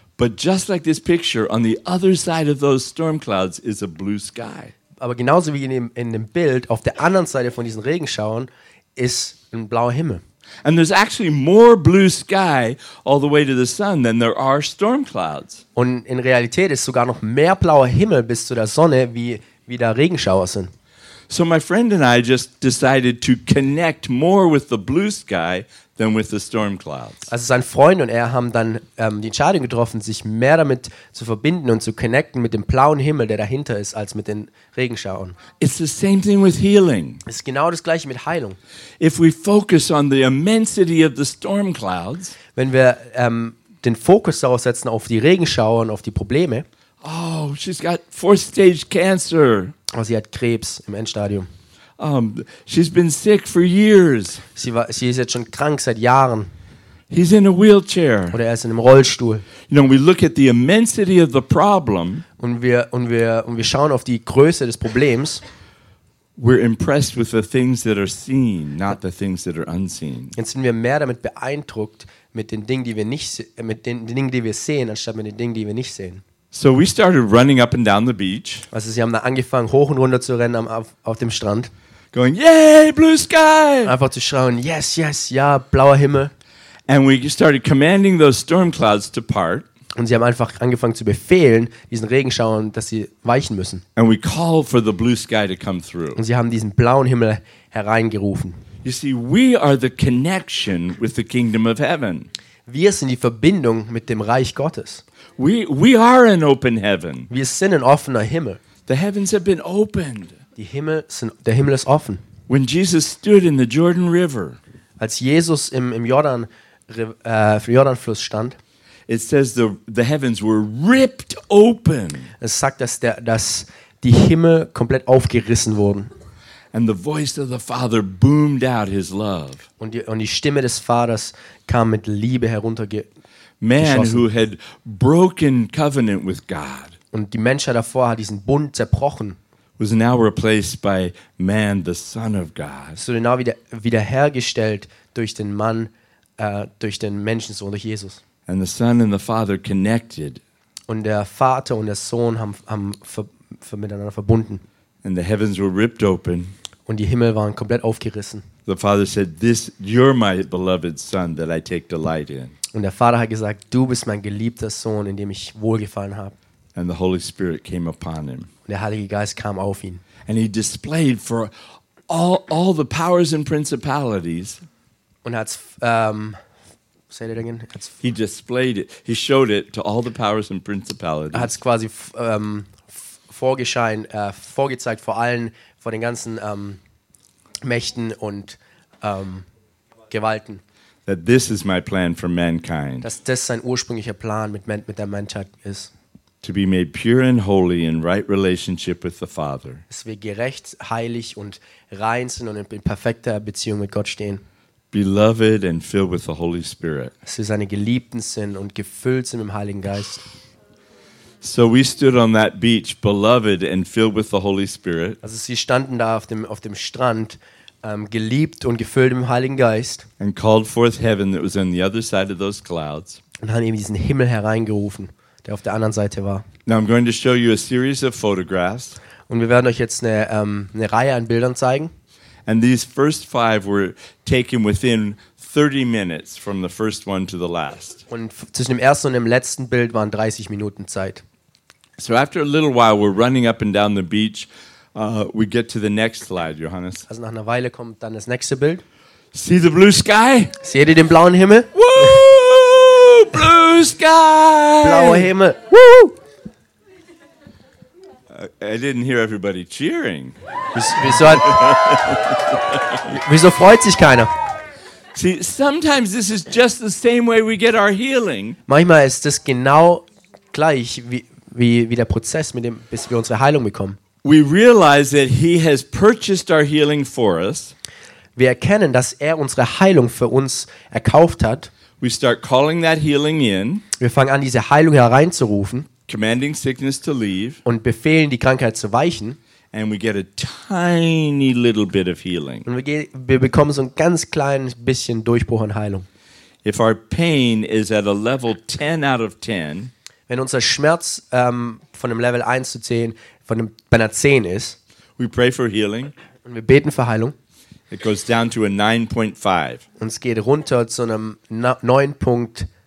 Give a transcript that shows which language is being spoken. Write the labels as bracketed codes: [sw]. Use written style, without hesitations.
[en] But just like this picture, on the other side of those storm clouds is a blue sky. [de] Aber genauso wie in dem Bild auf der anderen Seite von diesen Regenschauern ist ein blauer Himmel. [en] And there's actually more blue sky all the way to the sun than there are storm clouds. [de] Und in Realität ist sogar noch mehr blauer Himmel bis zu der Sonne wie da Regenschauer sind. [en] So my friend and I just decided to connect more with the blue sky than with the storm clouds. [de] Also sein Freund und er haben dann die Entscheidung getroffen, sich mehr damit zu verbinden und zu connecten mit dem blauen Himmel, der dahinter ist, als mit den Regenschauern. [en] It's the same thing with healing. [de] Es ist genau das gleiche mit Heilung. [en] If we focus on the immensity of the storm clouds, [de] wenn wir den Fokus darauf setzen auf die Regenschauer und auf die Probleme. [en] Oh, she's got 4th-stage cancer. [de] Oh, sie hat Krebs im Endstadium. [en] She's been sick for years. [de] Sie ist jetzt schon krank seit Jahren. [en] He's in a wheelchair. [de] Oder er ist in einem Rollstuhl. [en] You know, we look at the immensity of the problem. [de] Und wir schauen auf die Größe des Problems. [en] We're impressed with the things that are seen, not the things that are unseen. [de] Jetzt sind wir mehr damit beeindruckt mit den Dingen, die wir nicht sehen, anstatt mit den Dingen, die wir nicht sehen. [en] So we started running up and down the beach. [de] Also sie haben da angefangen hoch und runter zu rennen auf dem Strand. [en] Going, yay, blue sky! [de] Einfach zu schauen, [en] yes, yes, [de] ja, blauer Himmel. [en] And we started commanding those storm clouds to part. [de] Und sie haben einfach angefangen zu befehlen, diesen Regenschauern, dass sie weichen müssen. [en] And we called for the blue sky to come through. [de] Und sie haben diesen blauen Himmel hereingerufen. [en] You see, we are the connection with the kingdom of heaven. [de] Wir sind die Verbindung mit dem Reich Gottes. [en] We are an open heaven. [de] Wir sind ein offener Himmel. [en] The heavens have been opened. [de] Der Himmel ist offen. [en] When Jesus stood in the Jordan River, [de] als Jesus im Jordanfluss stand, [en] it says the heavens were ripped open. [de] Es sagt, dass die Himmel komplett aufgerissen wurden. [en] And the voice of the Father boomed out His love. [de] Und die Stimme des Vaters kam mit Liebe heruntergeschossen. [en] Man who had broken covenant with God. [de] Und die Menschheit davor hat diesen Bund zerbrochen. [en] Was now replaced by man, the Son of God. [de] So genau wiederhergestellt durch den Mann, durch den Menschensohn, durch Jesus. [en] And the Son and the Father connected. [de] Und der Vater und der Sohn haben miteinander verbunden. [en] And the heavens were ripped open. [de] Und die Himmel waren komplett aufgerissen. [en] The Father said, "This, you're my beloved Son that I take delight in." [de] Und der Vater hat gesagt, du bist mein geliebter Sohn, in dem ich wohlgefallen habe. [en] And the Holy Spirit came upon him. [de] Und der Heilige Geist kam auf ihn. [en] And he displayed for all the powers and principalities. [de] Und hat's [en] say that again. He displayed it. He showed it to all the powers and principalities. [de] Hat's quasi vorgezeigt vor den ganzen Mächten und Gewalten. [en] That this is my plan for mankind. [de] Dass das sein ursprünglicher Plan mit der Menschheit ist. [en] To be made pure and holy in right relationship with the Father. [de] Dass wir gerecht, heilig und rein sind und in perfekter Beziehung mit Gott stehen. [en] Beloved and filled with the Holy Spirit. [de] Dass wir seine Geliebten sind und gefüllt sind mit dem Heiligen Geist. [en] So we stood on that beach, beloved and filled with the Holy Spirit. [de] Also sie standen da auf dem Strand. Geliebt und gefüllt im Heiligen Geist. [en] And called forth heaven that was on the other side of those clouds. [de] Und haben eben diesen Himmel hereingerufen, der auf der anderen Seite war. [en] Now I'm going to show you a series of photographs. [de] Und wir werden euch jetzt eine Reihe an Bildern zeigen. [en] And these first five were taken within 30 minutes from the first one to the last. [de] Und zwischen dem ersten und dem letzten Bild waren 30 Minuten Zeit. [en] So after a little while we're running up and down the beach. We get to the next slide, Johannes. [de] Also nach einer Weile kommt dann das nächste Bild. [en] See the blue sky? [de] Seht ihr den blauen Himmel? [en] Woo! Blue sky! [de] Blauer Himmel. Woo! [en] I didn't hear everybody cheering. [de] Wieso freut sich keiner? [en] See, sometimes this is just the same way we get our healing. [de] Manchmal ist das genau gleich, wie der Prozess mit dem, bis wir unsere Heilung bekommen. [en] We realize that he has purchased our healing for us. [de] Wir erkennen, dass er unsere Heilung für uns erkauft hat. [en] We start calling that healing in. [de] Wir fangen an, diese Heilung hereinzurufen. [en] Commanding sickness to leave. [de] Und befehlen, die Krankheit zu weichen. [en] And we get a tiny little bit of healing. [de] Und wir bekommen so ein ganz kleines bisschen Durchbruch an Heilung. [en] If our pain is at a level 10 out of 10, [de] wenn unser Schmerz von einem Level 1 zu 10, von einem, bei einer 10 ist, [en] we pray for healing. [de] Und wir beten für Heilung. [en] It goes down to a 9.5. [de] Und es geht runter zu einem 9.5.